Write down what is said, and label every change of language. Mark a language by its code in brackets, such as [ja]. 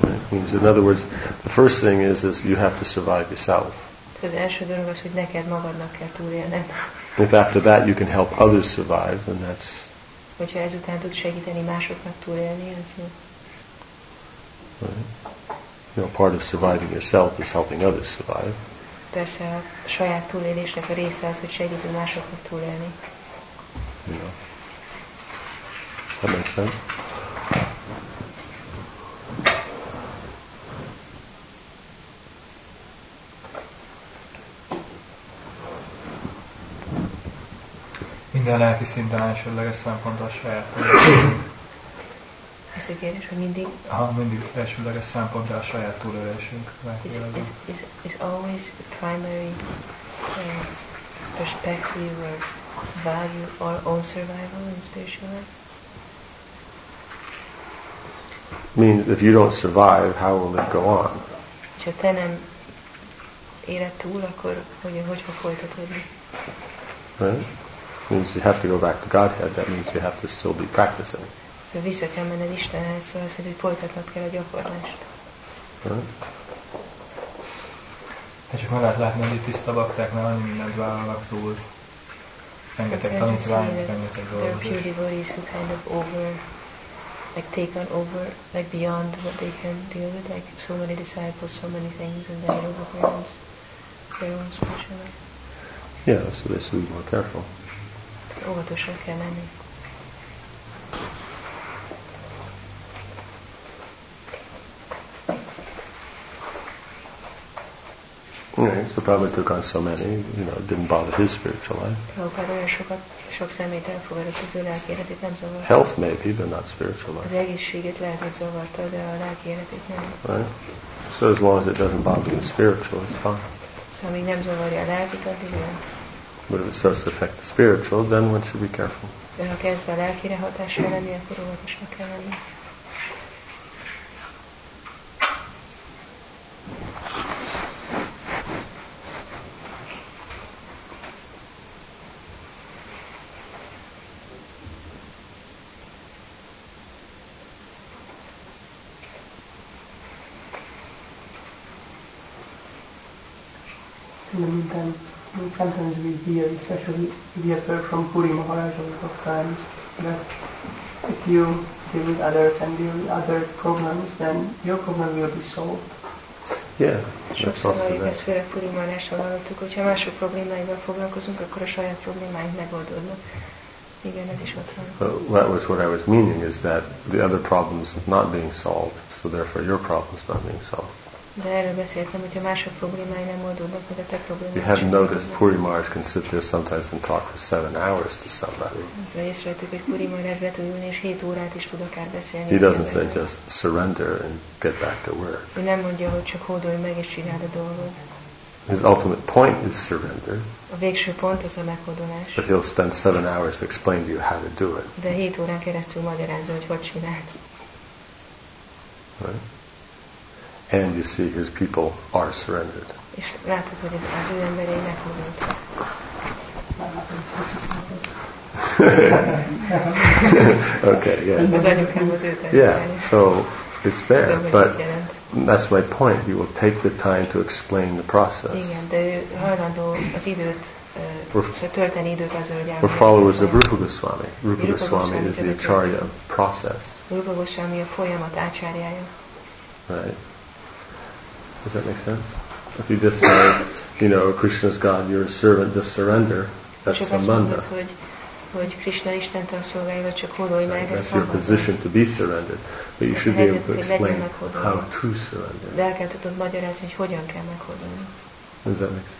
[en] In other words, the first thing is you have to survive yourself. [hu] So az első dolog az, hogy neked magadnak kell túlélned. [en] If after that you can help others survive, then that's. [hu] Hogyha ezután tud segíteni másoknak túlélni, az jó. [en] Right. You know, part of surviving yourself is helping others survive. [hu] Persze a saját túlélésnek a része az, hogy segíti másoknak túlélni. [en] Yeah. That makes sense. [hu] Minden lelki szinten elsődleges szempont a saját túlélésünk. Ez a kérdés, hogy mindig? Aha, mindig elsődleges szempont, de a saját túlélésünk. [en] Is always the primary perspective or value our own survival in spiritual life? Means if you don't survive, how will it go on? [hu] Ha te nem éred túl, akkor hogy fog folytatódni? [en] Means you have to go back to Godhead. That means you have to still be practicing. [hu] So vissza kell menned Istenhez, szóval azt mondja, hogy folytatnod kell a gyakorlást. Hát csak meg lehet látni, hogy tiszta baktáknál annyi mindent vállalak túl. Rengeteg tanítványok, rengeteg dolgok. [en] There are pure devotees who kind of over, like take on over, like beyond what they can deal with. Like so many disciples, so many things, and then it overwhelms their own spiritual life. Yeah, so they should be more careful. [hu] Óvatosan kell lenni. [en] Okay, so Prabhupada took on so many, you know, it didn't bother his spiritual life. [hu] Prabhupada olyan sokat, sok szemét elfogadott az ő lelki életét, nem zavarta. [en] Health maybe, but not spiritual life. [hu] Az egészségét lehet, hogy zavarta, de a lelki életét nem. [en] Right? So as long as it doesn't bother the spiritual, it's fine. [hu] So amíg nem zavarja a lelkit, addig jön. [en] But if it starts to affect the spiritual, then one should be careful. [hu] De ha kezd a lelkire hatással lenni, akkor óvatosnak kell lenni. [en] Sometimes we hear, especially we have heard from Puri Maharaj a lot of times, that if you deal with others and deal with others' problems, then your problem will be solved. Yeah, that's also that. That was what I was meaning, is that the other problems not being solved, so therefore your problems not being solved. [hu] De erről beszéltem, hogy a mások problémái nem oldódnak, hogy a te problémák. [en] You have noticed Puri Maharaj can sit there sometimes and talk for 7 hours to somebody. [hu] De észrevettük, hogy Puri Maharaj le tud ülni, és 7 órát is tud akár beszélni. [en] He doesn't say just surrender and get back to work. [hu] Ő nem mondja, hogy csak hódolj meg, és csináld a dolgot. [en] His ultimate point is surrender. [hu] A végső pont az a meghódolás. [en] But he'll spend 7 hours explaining to you how to do it. [hu] De 7 órán keresztül magyarázza, hogy hogy csináld. [en] Right? And you see his people are surrendered. [hu] És látod, hogy ez az ő emberei meghódolt. [en] Okay, yeah. [hu] Az anyukám az őt. [en] Yeah, so it's there, but that's my point. You will take the time to explain the process. [hu] Igen, de hajlandó az időt, tölteni időt az, hogy [en] we're followers of Rupa Goswami. Rupa Goswami is the acharya of process. [hu] Rupa Goswami a folyamat ácsárjája. [en] Right. Does that make sense? If you just say, you know, Krishna is God, you're a servant, just surrender, that's sambandha. That's your position to be surrendered. But you should be able to explain how to surrender. Does that make sense?